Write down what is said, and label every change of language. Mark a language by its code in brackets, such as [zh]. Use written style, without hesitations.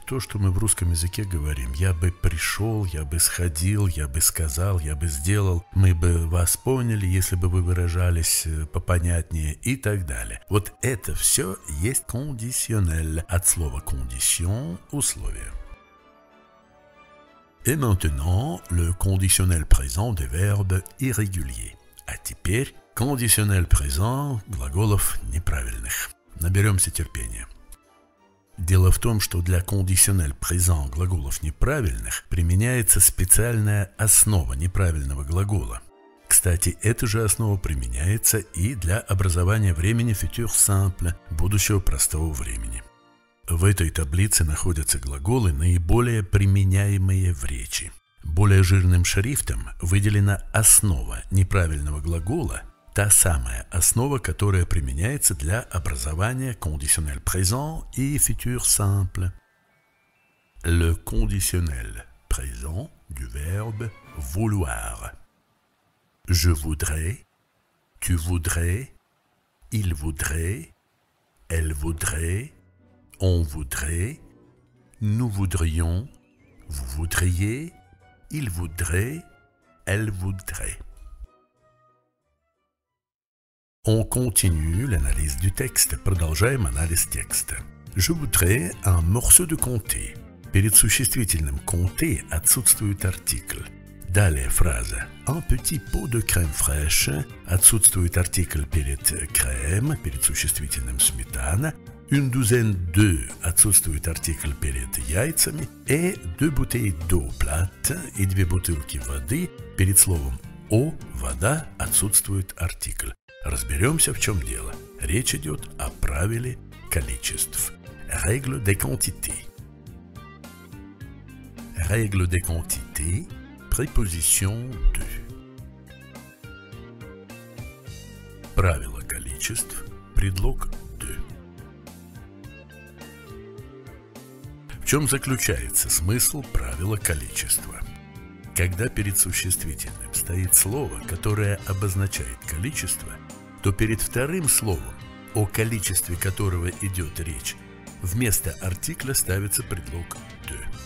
[ru] То, что мы в русском языке говорим «я бы пришел», «я бы сходил», «я бы сказал», «я бы сделал», «мы бы вас поняли, если бы вы выражались попонятнее» и так далее. Вот это все есть conditionnel, от слова condition – условие. [fr] Et maintenant, le conditionnel présent des verbes irréguliers. [ru] А теперь conditionnel présent глаголов неправильных. Наберемся терпения. Дело в том, что для conditionnel présent глаголов неправильных применяется специальная основа неправильного глагола. К Кстати, эта же основа применяется и для образования времени «futur simple» – будущего простого времени. В этой таблице находятся глаголы, наиболее применяемые в речи. Более жирным шрифтом выделена основа неправильного глагола, та самая основа, которая применяется для образования «conditionnel présent» и «futur simple». [fr] Le conditionnel présent du verbe vouloir. Je voudrais, tu voudrais, il voudrait, elle voudrait, on voudrait, nous voudrions, vous voudriez, il voudrait, elle voudrait. On continue l'analyse du texte. [ru] Продолжаем анализ текста. [fr] Je voudrais un morceau de comté. [ru] Перед существительным «comté» отсутствует артикль. Далее фраза [fr] «un petit pot de crème fraîche» [ru] отсутствует артикль перед «crème», перед существительным «сметана», [fr] «une douzaine de» [ru] отсутствует артикль перед «яйцами» и [fr] «deux bouteilles d'eau plate» [ru] и «две бутылки воды» перед словом «о» – «вода» отсутствует артикль. Разберемся, в чем дело. Речь идет о правиле количеств. [fr] «Règle des quantités». Règle des quantités, préposition de. [ru] Правило количеств, предлог de. В чем заключается смысл правила количества? Когда перед существительным стоит слово, которое обозначает количество, то перед вторым словом, о количестве которого идет речь, вместо артикля ставится предлог de.